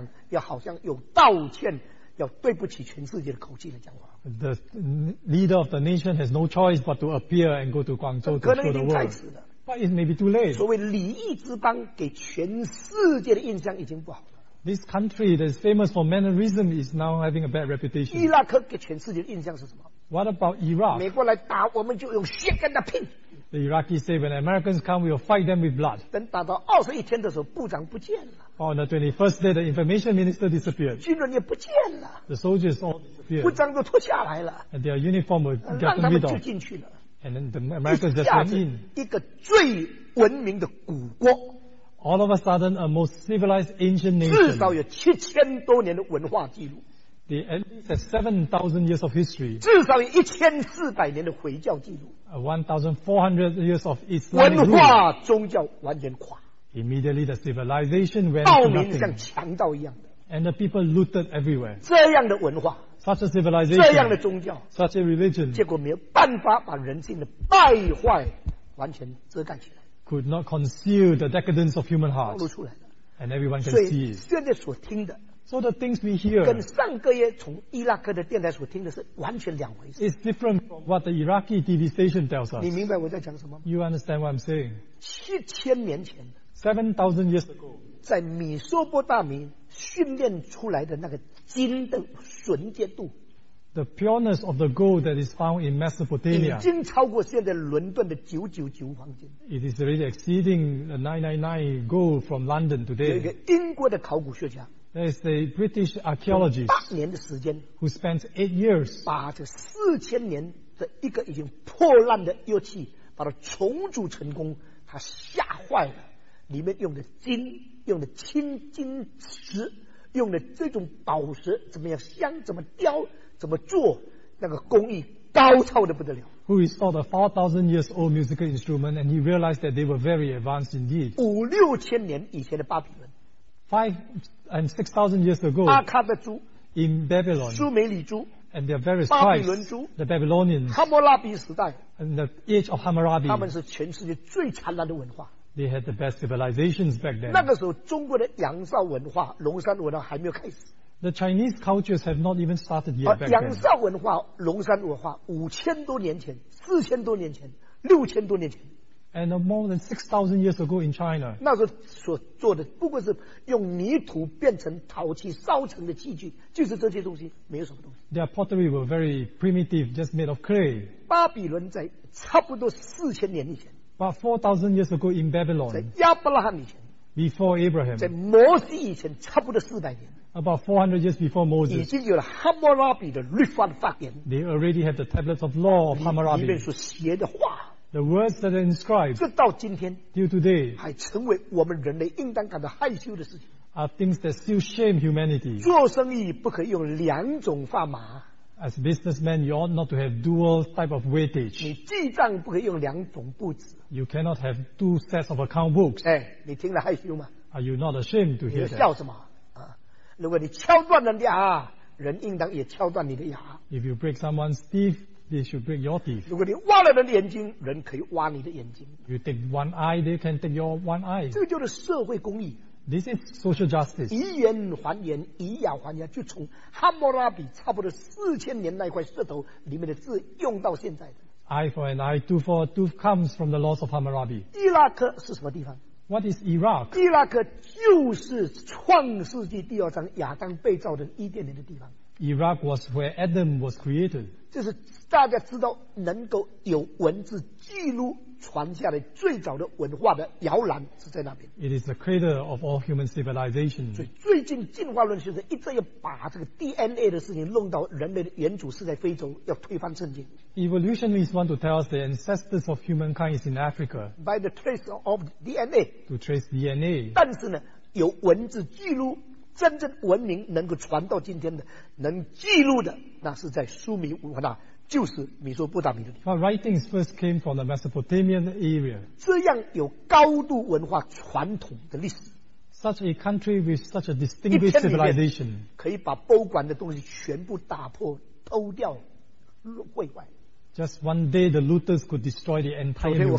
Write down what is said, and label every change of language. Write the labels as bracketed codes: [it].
[zh] 中国最高的领袖不得不要到广州、到香港，要好像有道歉。要对不起全世界的口气来讲话。 [en] The leader of the nation has no choice but to appear and go to Guangzhou to show the world. But it may be too late. [zh] 所谓礼义之邦给全世界的印象已经不好了。 [en] This country that is famous for mannerism is now having a bad reputation. [zh] 伊拉克给全世界的印象是什么？ [en] What about Iraq? [zh] 美国来打我们就用 [en] shake and pin. The Iraqis say when Americans come, we will fight them with blood. [zh] 等打到21天的时候，部长不见了。 [en] On the 21st day, the information minister disappeared. [zh] 军人也不见了。 [en] The soldiers all disappeared. [zh] 部长都脱下来了。 [en] And their uniform was gotten rid of. [zh] 让他们就进去了。 [en] And then the Americans just went in. [zh] 一个最文明的古国。 [en] All of a sudden, a most civilized ancient nation. [zh] 至少有7000多年的文化记录。 [en] They at least have 7,000 years of history. [zh] 至少有1400年的回教记录。 [en] 1,400 years of Islam. [zh] 文化宗教完全垮。 [en] Immediately the civilization went to nothing. [zh] 暴民像强盗一样的。 [en] And the people looted everywhere. [zh] 这样的文化。 [en] Such a civilization. [zh] 这样的宗教。 [en] Such a religion. [zh] 结果没有办法把人性的败坏完全遮盖起来。 [en] Could not conceal the decadence of human hearts. [zh] 暴露出来了。 [en] And everyone can see it. [zh] 所以现在所听的。 [en] So the things we hear [zh] 跟上个月从伊拉克的电台所听的是完全两回事。 [en] It's different from what the Iraqi TV station tells us. [zh] 你明白我在讲什么吗？ [en] You understand what I'm saying? [zh] 7000年前 [en] 7000 years ago [zh] 在米索波大米训练出来的那个金的纯洁度， [en] The pureness of the gold that is found in Mesopotamia [zh] 已经超过现在伦敦的999黄金。 [en] It is already exceeding the 999 gold from London today. [zh] 有一个英国的考古学家， [en] There is a British archaeologist [zh] 八年的时间 [en] who spent 8 years [zh] 把这四千年的一个已经破烂的乐器把它重组成功，他吓坏了，里面用的金，用的青金石，用的这种宝石怎么样镶，怎么雕，怎么做，那个工艺高超的不得了。 [en] Who installed a 4,000 years old musical instrument and he realized that they were very advanced indeed. [zh] 五六千年以前的巴比伦 [en] 5,000 and 6,000 years ago, [zh] 阿卡的珠 [en] in Babylon, [zh] 苏美里珠 [en] and their various tribes, the Babylonians, [zh] 哈摩拉比时代 [en] and the age of Hammurabi, [zh] 他们是全世界最灿烂的文化。 [en] They had the best civilizations back then. [zh] 那个时候，中国的仰韶文化、龙山文化还没有开始。 [en] The Chinese cultures have not even started yet. [zh] 仰韶文化、龙山文化，五千多年前、四千多年前、六千多年前。 [en] And more than 6,000 years ago in China, [zh] 那时候所做的不过是用泥土变成陶器烧成的器具，就是这些东西，没有什么东西。 [en] Their pottery were very primitive, just made of clay. [zh] 巴比伦在差不多4000年以前。 [en] But 4,000 years ago in Babylon, [zh] 在亚伯拉罕以前。 [en] Before Abraham, [zh] 在摩西以前差不多400年。 [en] About 400 years before Moses, [zh] 已经有了 Hammurabi 的律法的法典。 [en] They already had the tablets of law of Hammurabi. [zh] 里面所写的话。 [en] The words that are inscribed, [zh] 这到今天 [en] till today, [zh] 还成为我们人类应当感到害羞的事情。 [en] Are things that still shame humanity. [zh] 做生意不可以用两种砝码。 [en] As businessmen, you ought not to have dual type of weightage. [zh] 你记账不可以用两种簿子。 [en] You cannot have two sets of account books. [zh] 哎，你听了害羞吗？ [en] Are you not ashamed to hear that? [zh] 你笑什么？啊，如果你敲断人的牙，人应当也敲断你的牙。 [en] If you break someone's teeth,They should break your teeth. [zh] 如果你挖了人的眼睛，人可以挖你的眼睛。 [en] You take one eye, they can take your one eye. [zh] 这个就是社会公义。 [en] This is social justice. [zh] 以眼还眼，以牙还牙，就从哈摩拉比差不多四千年那块石头里面的字用到现在的。 [en] Eye for an eye, tooth for a tooth comes from the laws of Hammurabi. [zh] 伊拉克是什么地方？ [en] What is Iraq? [zh] 伊拉克就是创世纪第二章亚当被造的伊甸园的地方。 [en] Iraq was where Adam was created. [zh] 这是大家知道能够有文字记录传下来最早的文化的摇篮是在那边。 [en] It is the cradle of all human civilization. [zh] 所以最近进化论学者一直要把这个 DNA 的事情弄到人类的原祖是在非洲，要推翻圣经。 [en] Evolutionists want to tell us the ancestors of humankind is in Africa. By the trace of DNA. To trace DNA. [zh] 但是呢，有文字记录。真正文明能够传到今天的，能记录的，那是在苏美文化，就是米索波达米的地方。 [en] But writings first came from the Mesopotamian area. [zh] 这样有高度文化传统的历史。 [en] Such a country with such a distinguished civilization. [zh] 可以把博物馆的东西全部打破、偷掉、毁坏。 [en] Just one day, the looters could destroy the entire museum.